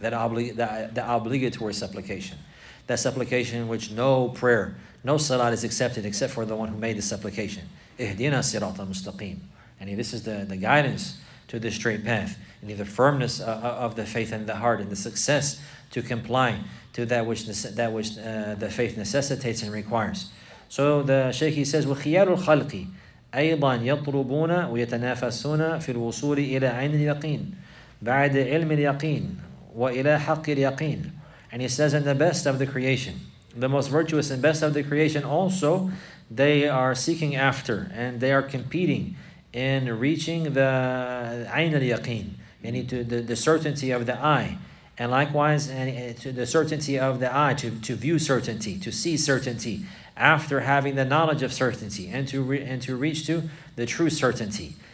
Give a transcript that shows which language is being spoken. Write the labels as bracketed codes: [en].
[en] That obligatory supplication. That supplication in which no prayer, no salat is accepted except for the one who made the supplication. [ar] اهدينا صراط المستقيم. [en] And this is the guidance to the straight path. And the firmness of the faith and the heart and the success to comply to that which the faith necessitates and requires. So the Shaykh, he says, [ar] وَخِيَارُ الْخَلْقِ أَيْضًا يَطْرُبُونَ وَيَتَنَافَسُونَ فِي الْوُصُولِ إِلَىٰ عَيْنِ الْيَقِينَ بَعْدِ عِلْمِ الْيَقِينَ وَإِلَىٰ حَقِّ الْيَقِينَ. [en] And he says, and the best of the creation, the most virtuous and best of the creation also, they are seeking after and they are competing in reaching the عَيْنِ الْيَقِينَ, meaning to the certainty of the eye. And likewise, and to the certainty of the eye, to view certainty, to see certainty, after having the knowledge of certainty, and to reach to the true certainty.